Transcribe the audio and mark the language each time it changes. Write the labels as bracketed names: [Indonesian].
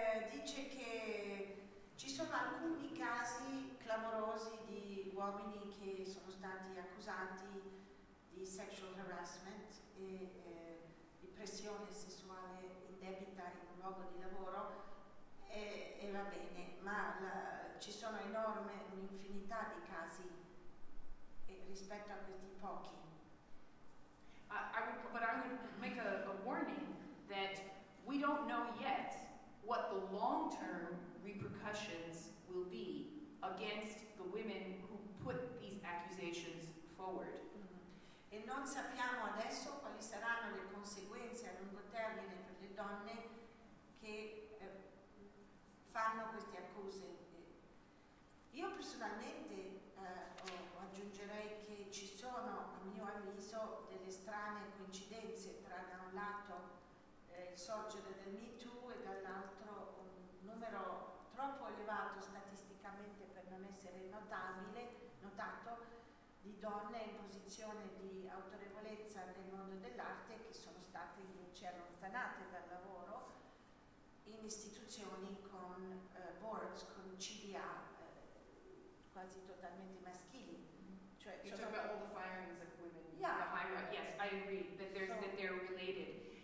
[Italian] Dice che ci sono alcuni casi clamorosi di uomini che sono stati accusati di sexual harassment di pressione sessuale indebita in un luogo di lavoro e va bene, ma ci sono un'infinità di casi rispetto a questi pochi. [English] I would make a warning that we don't know yet what the long-term repercussions will be against the women who put these accusations forward. [Italian] E non sappiamo adesso quali saranno le conseguenze a lungo termine per le donne che fanno queste accuse. Io personalmente aggiungerei che ci sono, a mio avviso, delle strane coincidenze tra da un lato il sorgere del Me Too e dall'altro un numero troppo elevato statisticamente per non essere notato di donne in posizione di autorevolezza nel mondo dell'arte che sono state invece allontanate dal lavoro in istituzioni con boards, con CDA quasi totalmente maschili. Cioè, [English] you talk about all the firings of women. Yes, I agree that they're related.